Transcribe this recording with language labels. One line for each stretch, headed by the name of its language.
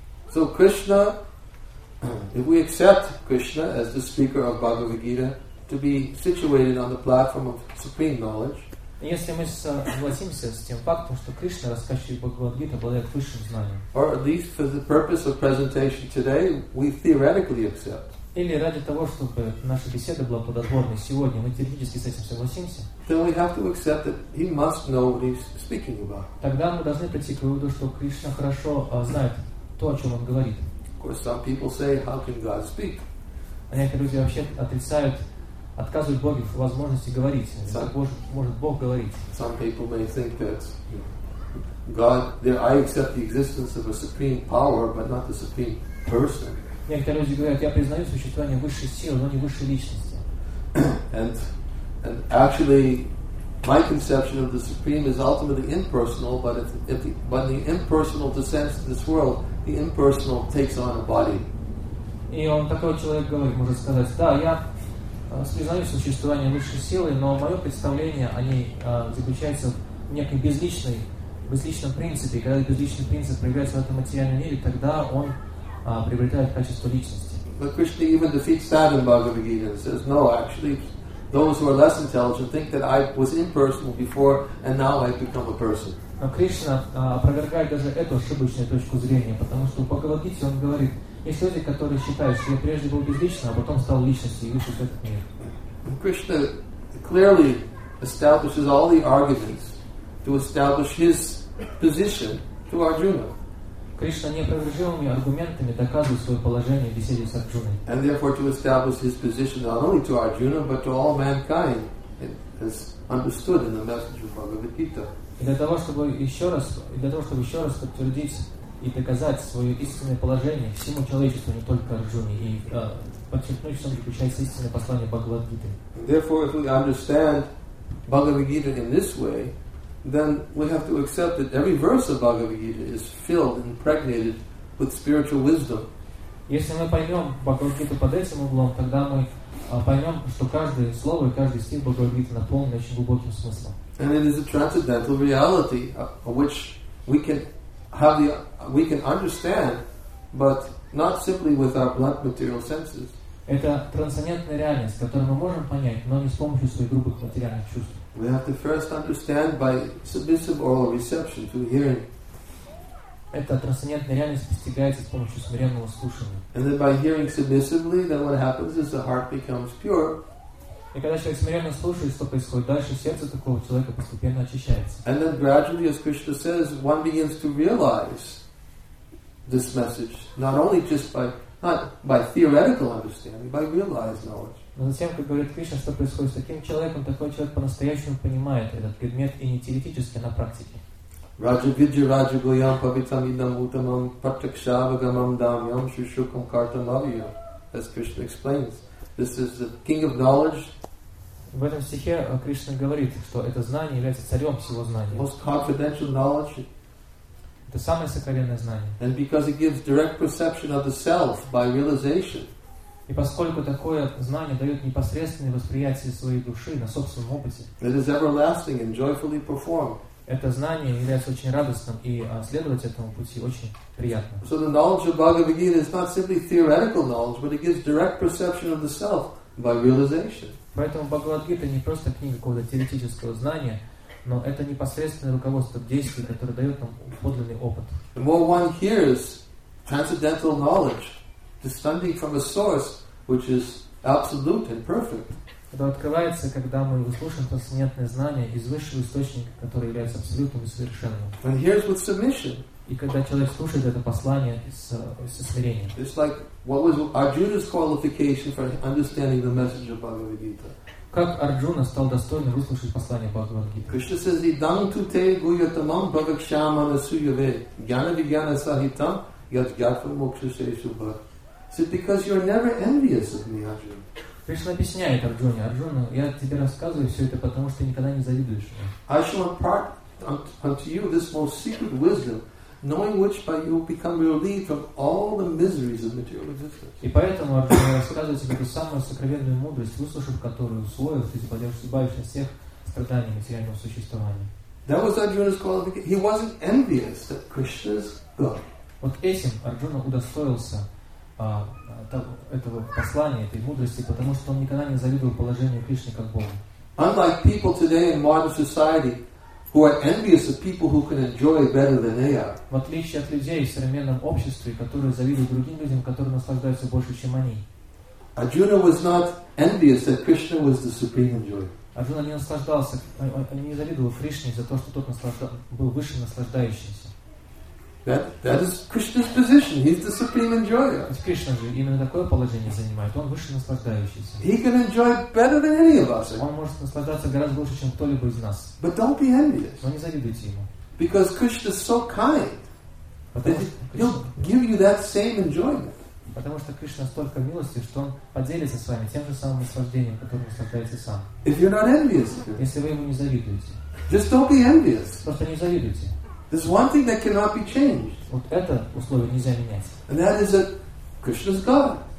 English: So Krishna, if we accept Krishna as the speaker of Bhagavad-gita to be situated on the platform of supreme knowledge,
Russian: если мы согласимся с тем фактом, что Кришна, рассказчик Бхагавад-гиты, обладает высшим знанием,
English: or at least for the purpose of presentation today, we theoretically accept.
Russian: Или ради того, чтобы наша беседа была плодотворной сегодня, мы теоретически с этим согласимся.
English: Then we have to accept that he must know what he's speaking about.
Russian: Тогда мы должны прийти к выводу, что Кришна хорошо знает то, о чем он говорит.
English: Of course, some people say, how can God speak?
Russian: А некоторые люди вообще отрицают, отказывают Богу в возможности говорить. Как может Бог говорить?
English: Some people may think that God, I accept the existence of a supreme power, but not the supreme person.
Russian: Некоторые люди говорят, я признаю существование высшей силы, но не высшей личности.
English: And actually, my conception of the supreme is ultimately impersonal. But when the impersonal descends to this world, the impersonal takes on a body.
Russian: И он такой человек говорит, может сказать, да, я признаю существование высшей силы, но мое представление о ней заключается в некой безличном принципе. И когда безличный принцип проявляется в этом материальном мире, тогда он приобретает качество личности.
English: But Krishna even defeats that in Bhagavad Gita and says, no, actually, those who are less intelligent think that I was impersonal before and now I've become a person.
Russian: Но Кришна опровергает даже эту ошибочную точку зрения, потому что в Бхагавад Гите он говорит, есть люди, которые считают, что я прежде был безличным, а потом стал личностью и вышел в этот мир.
English: And Krishna clearly establishes all the arguments to establish his position to Arjuna.
Russian: Кришна неопровержимыми аргументами доказывает свое положение в беседе с Арджуной.
English: And therefore to establish his position not only to Arjuna, but to all mankind, as understood in the message of Bhagavad Gita.
Russian: И для того, чтобы еще раз подтвердить и доказать свое истинное положение всему человечеству, не только Арджуне, и подчеркнуть, что заключается истинное послание Бхагавад Гиты.
English: Therefore, if we understand Bhagavad Gita in this way, then we have to accept that every verse of Bhagavad Gita is filled and impregnated with spiritual wisdom.
Russian: Если мы поймем Бхагавад Гиту под этим углом, тогда мы поймем, что каждое слово и каждый стих Бхагавад Гиты наполнен очень глубоким смыслом.
English: And it is a transcendental reality of which we can understand, but not simply with our blunt material senses.
Russian: Это трансцендентная реальность, которую мы можем понять, но не с помощью своих грубых материальных чувств.
English: We have to first understand by submissive oral reception through hearing.
Russian: Эта трансцендентная реальность достигается с помощью смиренного слушания.
English: And then by hearing submissively, then what happens is the heart becomes pure.
Russian: И когда человек смиренно слушает, что происходит дальше, сердце такого человека постепенно очищается.
English: And then gradually, as Krishna says, one begins to realize this message, not by theoretical understanding, by realized knowledge.
Russian: Но затем, как говорит Кришна, что происходит с таким человеком, такой человек по-настоящему понимает этот предмет и не теоретически, а на практике.
Sanskrit: Раджа виджа раджа гуям павитам идам утамам патакшавагамам дамьям шушукам картам авиям.
English: As Krishna explains, this is the king of knowledge.
Russian: В этом стихе Кришна говорит, что это знание является царем всего знания.
English: Most confidential knowledge.
Russian: Это самое сокровенное знание.
English: And because it gives direct perception of the self by realization.
Russian: И поскольку такое знание дает непосредственное восприятие своей души на собственном опыте,
English: it is everlasting and joyfully performed.
Russian: Это знание является очень радостным, и следовать этому пути очень приятно.
English: So the knowledge of Bhagavad Gita is not simply theoretical knowledge, but it gives direct perception of the self by realization.
Russian: Поэтому Бхагавад-гита не просто книга какого-то теоретического знания, но это непосредственное руководство к действию, которое дает нам подлинный опыт.
English: The more one hears transcendental knowledge descending from a source which is absolute and perfect.
Russian: Это открывается, когда мы выслушаем трансцендентное знание из высшего источника, который является абсолютным и совершенным.
English: And here's with submission.
Russian: И когда человек слушает это послание со смирением.
English: It's like what was Arjuna's qualification for understanding the message of Bhagavad Gita?
Russian: Как Арджуна стал достойным выслушать послание Бхагавад-гиты?
Sanskrit: Кришна
English: says,
Sanskrit: "Идам туте гуятамам бхагакшамана суяве гьяна-вигьяна сахитам ят-гьятвам мокшу-сейшу-бха."
English: Said, "Because you're never envious of me, Arjuna."
Russian: Кришна объясняет Арджуне: Арджуна, я тебе рассказываю все это, потому что никогда не завидуешь мне.
English: I shall impart unto you this most secret wisdom, knowing which by you will become relieved from all the miseries of material existence.
Russian: И поэтому Арджуна рассказывает тебе ту самую сокровенную мудрость, выслушав которую, усвоив, ты избавишься от всех страданий материального существования.
English: That was Arjuna's qualification. He wasn't envious that Krishna's God.
Russian: Вот этим Арджуна удостоился этого послания, этой мудрости, потому что он никогда не завидовал положению Кришны как Бога.
English: Unlike people today in modern society, who are envious of people who can enjoy better than they are.
Russian: В отличие от людей в современном обществе, которые завидуют другим людям, которые наслаждаются больше, чем они.
English: Arjuna was not envious that Krishna was the supreme enjoy.
Russian: Арджуна не наслаждался, не завидовал Кришне за то, что тот был высшим наслаждающимся.
English: That is Krishna's position. He's the supreme enjoyer.
Russian: Кришна же именно такое положение занимает. Он высший наслаждающийся.
English: He can enjoy better than any of us.
Russian: Он может наслаждаться гораздо больше, чем кто-либо из нас.
English: But don't be envious.
Russian: Но не завидуйте ему.
English: Because Krishna is so kind that he'll give you that same enjoyment.
Russian: Потому что Кришна столько милости, что он поделится с вами тем же самым наслаждением, которым наслаждается сам.
English: If you're not envious.
Russian: Если вы ему не завидуете.
English: Just don't be envious.
Russian: Просто не завидуйте.
English: There's one thing that cannot be changed.
Russian: Вот это условие нельзя менять.
English: And that is that Krishna is God.